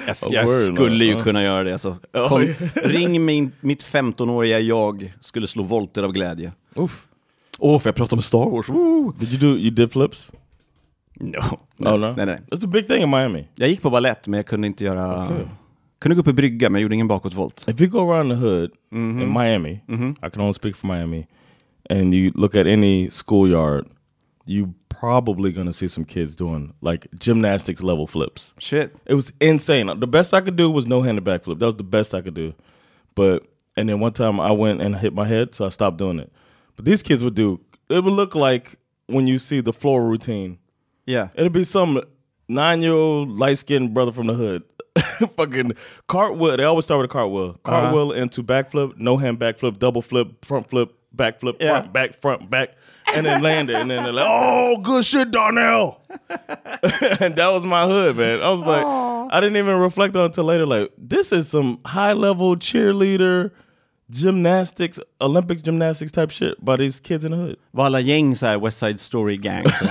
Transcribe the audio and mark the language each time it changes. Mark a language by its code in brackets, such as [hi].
[sv] Jag skulle kunna göra det. Alltså. Oh, kom, yeah. Ring mitt 15-åriga jag skulle slå volter av glädje. Oof. Åh, oh, för jag pratar om Star Wars. Woo. [en] Did you do flips? No. Oh, no? [sv] Nej. [en] That's a big thing in Miami. [sv] Jag gick på ballett, men jag kunde inte göra... [en] Okay. [sv] Kunde gå upp i brygga, men jag gjorde ingen bakåtvolt. [en] If you go around the hood, in Miami, I can only speak for Miami, and you look at any schoolyard... You probably gonna see some kids doing like gymnastics level flips. Shit. It was insane. The best I could do was no handed back flip. That was the best I could do. But, and then one time I went and hit my head, so I stopped doing it. But these kids would do, it would look like when you see the floor routine. Yeah. It'd be some 9-year-old light skinned brother from the hood. Fucking cartwheel. They always start with a cartwheel. Cartwheel into backflip, no hand backflip, double flip, front flip, backflip, yeah. front, back. And then land it, and then they're like, oh, good shit, Darnell. And that was my hood, man. I was like, aww. I didn't even reflect on it until later. Like, this is some high-level cheerleader, gymnastics, Olympics gymnastics type shit by these kids in the hood. [sv] Valla gäng, så här, West Side Story gang.